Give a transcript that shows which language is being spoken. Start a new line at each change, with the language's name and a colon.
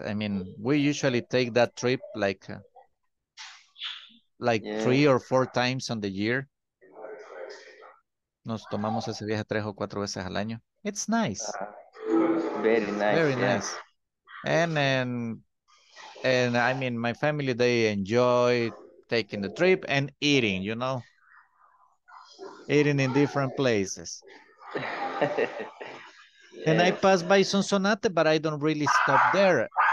English: I mean, we usually take that trip like 3 or 4 times on the year.
Spanish: Nos tomamos ese viaje 3 o 4 veces al año.
English: It's nice. Very nice. Very nice. And I mean, my family, they enjoy taking the trip and eating, you know? Eating in different places. Yes. And I pass by Sonsonate, but I don't really stop there.